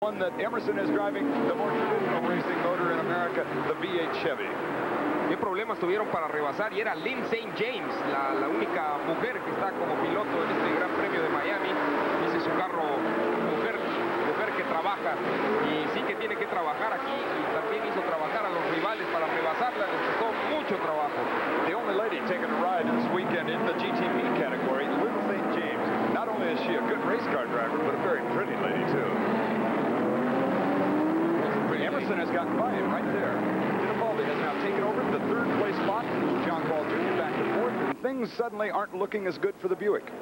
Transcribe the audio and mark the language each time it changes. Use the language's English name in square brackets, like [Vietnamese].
[English] One that Emerson is driving, the more traditional racing motor in America, the V8 Chevy. [Spanish] ¿Qué problemas tuvieron para rebasar? Y era Lynn St. James, la única mujer que está como piloto en este Gran Premio de Miami. Dice su carro, mujer que trabaja, y sí que tiene que trabajar aquí, y también hizo trabajar a los rivales para rebasarla, les costó mucho trabajo. [English] The only lady taking a ride this weekend in the GTP category, Lynn St. James. Not only is she a good race car driver, but a very pretty lady too. Emerson has gotten by him right there. Tinobaldi has now taken over the third place spot. John Paul Jr. back to fourth. And things suddenly aren't looking as good for the Buick.